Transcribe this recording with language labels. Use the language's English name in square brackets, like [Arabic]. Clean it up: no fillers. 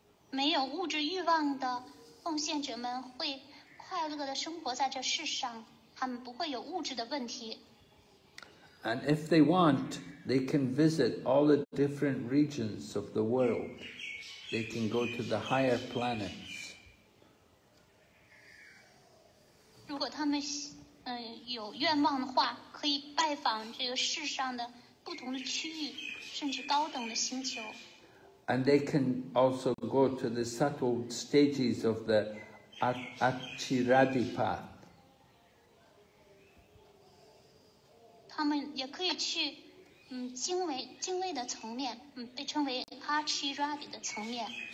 [Chinese] 没有物质欲望的奉献者们会快乐地生活在这世上，他们不会有物质的问题。 [English] And if they want, they can visit all the different regions of the world. They can go to the higher planets. [Chinese] 如果他们有愿望的话，可以拜访这个世上的不同的区域，甚至高等的星球。 [English] And they can also go to the subtle stages of the Achiradi path. [Chinese] 他们也可以去精微的层面，被称为 Achiradi 的层面。